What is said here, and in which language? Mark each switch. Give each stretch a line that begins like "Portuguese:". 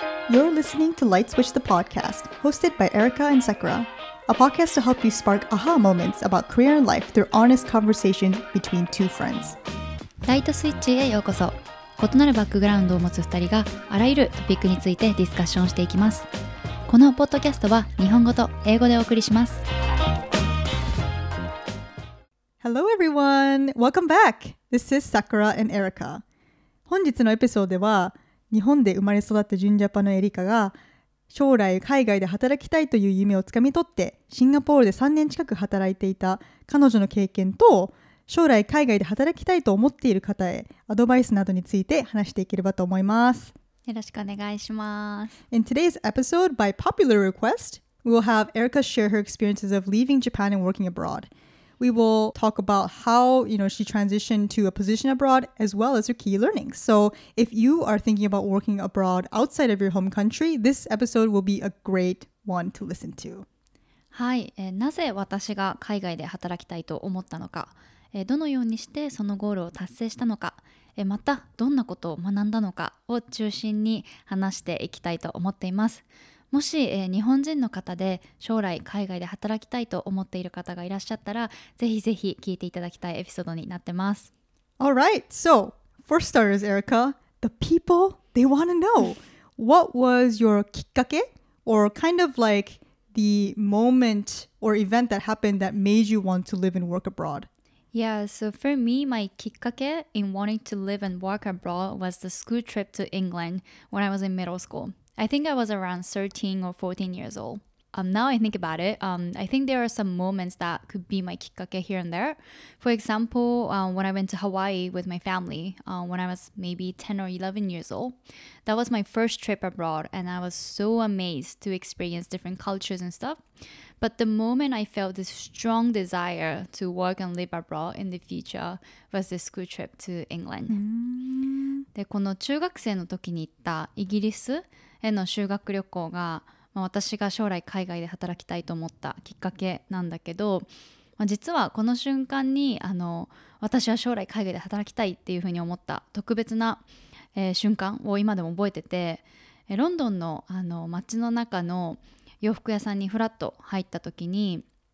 English: You're listening to Light Switch the Podcast, hosted by Erika and Sakura, a podcast to help you spark aha moments about career and life through honest conversations between two friends.
Japanese: Light Switch へようこそ。異なるバックグラウンドを持つ2人があらゆるトピックについてディスカッションしていきます。このポッドキャストは日本語と英語でお送りします。
English: Hello everyone! Welcome back! This is Sakura and Erika.
Japanese: 本日のエピソードでは、日本で生まれ育った純ジャパのエリカが将来海外で働きたいという夢をつかみ取ってシンガポールで3年近く働いていた彼女の経験と将来海外で働きたいと思っている方へアドバイスなどについて話していければと思います。よろしくお願いします。
English: In today's episode, by popular request, we will have Erika share her experiences of leaving Japan and working abroad. We will talk about how, you know, she transitioned to a position abroad as well as her key learnings. So if you are thinking about working abroad outside of your home country, this episode will be a great one to listen to.
Japanese: はい、なぜ私が海外で働きたいと思ったのか、どのようにしてそのゴールを達成したのか、またどんなことを学んだのかを中心に話していきたいと思っています。もし、日本人の方で将来海外で働きたいと思っている方がいらっしゃったら、ぜひぜひ聞いていただきたいエピソードになってます。
English: All right, so for starters, Erika, the people, they want to know what was your きっかけ or kind of like the moment or event that happened that made you want to live and work abroad? Yeah, so for me, my きっかけ in wanting to live and work abroad was the school trip to England when I was in middle schoolI think I was around 13 or 14 years old. Now I think about it, I think there are some moments that could be my kikkake here and there. For example, when I went to Hawaii with my family, when I was maybe 10 or 11 years old, that was my first trip abroad and I was so amazed to experience different cultures and stuff. But the moment I felt this strong desire to work and live abroad in the future was the school trip to England.
Japanese: で、この中学生の時に行ったイギリスへの修学旅行が、まあ、私が将来海外で働きたいと思ったきっかけなんだけど、まあ、実はこの瞬間に私は将来海外で働きたいっていうふうに思った特別な、瞬間を今でも覚えてて、ロンドン の街の中の洋服屋さんにフラッと入った時に